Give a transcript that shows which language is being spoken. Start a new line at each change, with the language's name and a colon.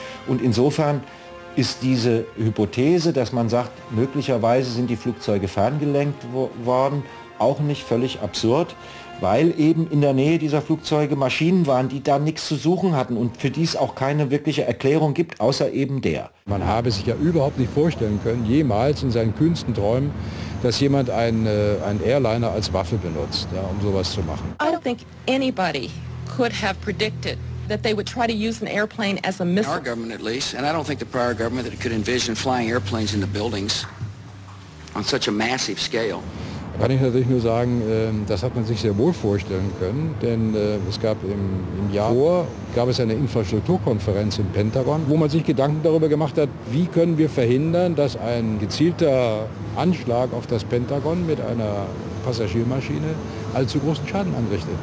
German: Und insofern ist diese Hypothese, dass man sagt, möglicherweise sind die Flugzeuge ferngelenkt worden, auch nicht völlig absurd, weil eben in der Nähe dieser Flugzeuge Maschinen waren, die da nichts zu suchen hatten und für die es auch keine wirkliche Erklärung gibt, außer eben der. Man habe sich ja überhaupt nicht vorstellen können, jemals in seinen kühnsten Träumen, dass jemand einen Airliner als Waffe benutzt, ja, um sowas zu machen.
English: I don't think anybody could have predicted that they would try to use an airplane as a missile. Our government at least, and I don't think the prior government that could envision flying airplanes into buildings on such a massive scale.
German: Kann ich natürlich nur sagen, das hat man sich sehr wohl vorstellen können, denn es gab im Jahr vor, gab es eine Infrastrukturkonferenz im Pentagon, wo man sich Gedanken darüber gemacht hat, wie können wir verhindern, dass ein gezielter Anschlag auf das Pentagon mit einer Passagiermaschine allzu großen Schaden anrichtet.